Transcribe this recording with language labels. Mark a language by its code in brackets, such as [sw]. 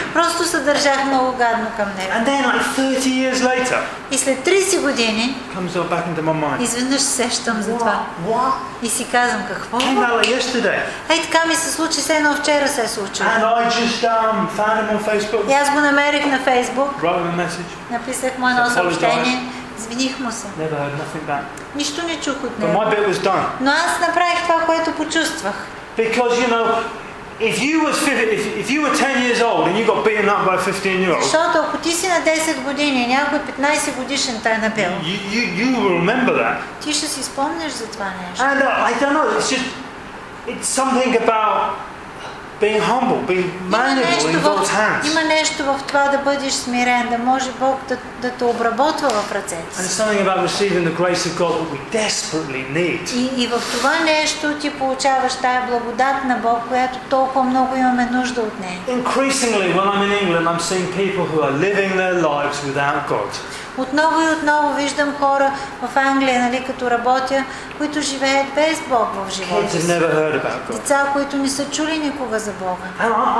[bg] Просто се държах много гадно към него. [en] And then, like 30 years later, [bg] и след 30 години, [en] comes all back into my mind. [bg] Изведнъж сещам за това. [en] What? [bg] И си казвам какво. [en] Came out like yesterday. [bg] Ей, така ми се случи, все едно вчера се случи. [en] And I just found him on Facebook. [bg] И аз го намерих на Facebook. [en] Wrote him a message. [bg] Написах му едно съобщение. Извиних му се. [en] Never heard nothing back. [bg] Нищо не чух от него. [en] But my bit was done. [bg] Но аз направих това, което почувствах. [en] Because you know, if you were 10 years old and you got beaten up by a 15-year-old, [bg] защото ако ти си на 10 години, някой 15 годишен те е набил, [en] you will remember that. [bg] Ти ще си спомнеш за това нещо. [en] And I don't know. It's just it's something about being humble, being manageable in God's hands. [bg] Има нещо в това да бъдеш смирен, да може Бог да те обработва в ръцете. [en] And it's something about receiving the grace of God that we desperately need. [bg] И в това нещо ти получаваш тая благодат на Бог, която толкова много имаме нужда от нея. [en] Increasingly, when I'm in England, I'm seeing people who are living their lives without God. [bg] Отново и отново виждам хора в Англия, нали, като работя, които живеят без Бог в живота си. Деца, които не са чули никога за Бога.